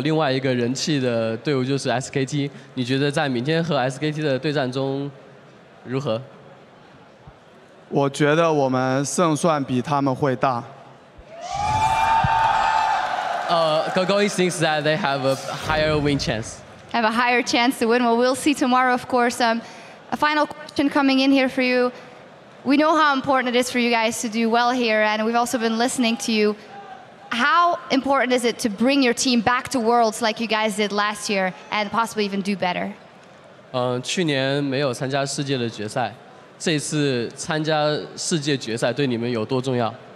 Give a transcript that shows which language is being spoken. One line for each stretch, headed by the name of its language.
Chinese: 我不得不说，这个队伍中有另外一个人气的队伍就是SKT. 你觉得在明天和SKT的对战中如何？我觉得我们胜算比他们会大。
English: Gogoi thinks that they have a higher win chance. Have a higher chance to win. Well, we'll see tomorrow, of course. A final question coming in here for you. We know how important it is for you guys to do well here, and we've also been listening to you. How important is it to bring your team back to Worlds like you guys did last year and possibly even do better?
Chinese: 去年没有参加世界的决赛，这次参加世界决赛对你们有多重要？